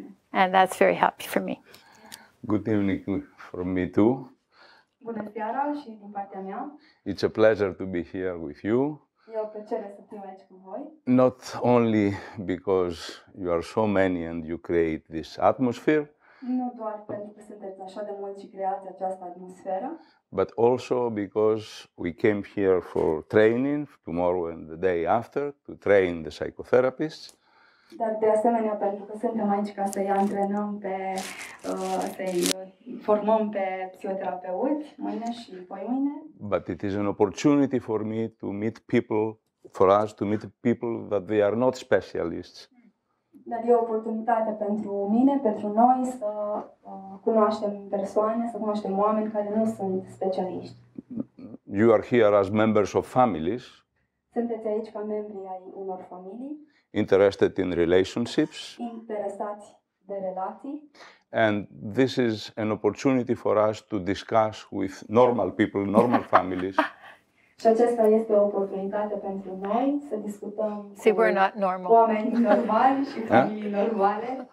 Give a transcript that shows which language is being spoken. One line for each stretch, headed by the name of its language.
English: And that's very happy for me. Good evening from me too.
Romanian: Bună seara și din partea mea.
English: It's a pleasure to be here with you.
Romanian: E o plăcere să fiu aici cu voi.
English: Not only because you are so many and you create this atmosphere.
Romanian: Nu doar pentru că sunteți așa de mulți și creați această atmosferă.
English: But also because we came here for training tomorrow and the day after to train the psychotherapists.
Romanian: Dar de asemenea pentru că suntem aici ca să-i antrenăm pe să-i formăm pe psihoterapeuți mâine și poimâine.
English: But it is an opportunity for me to meet people for us to meet people that they are not specialists.
Romanian: Dar e o oportunitate pentru mine, pentru noi, să cunoaștem persoane, să cunoaștem oameni care nu sunt specialiști.
English: You are here as members of families.
Romanian: Sunteți aici ca membri ai unor familii.
English: Interested in relationships.
Romanian: Interesați de relații.
English: And this is an opportunity for us to discuss with normal people, normal families.
Romanian: Și aceasta este o oportunitate pentru noi să discutăm.
English: See, we're not normal.
Romanian: Oameni normali și familii normale.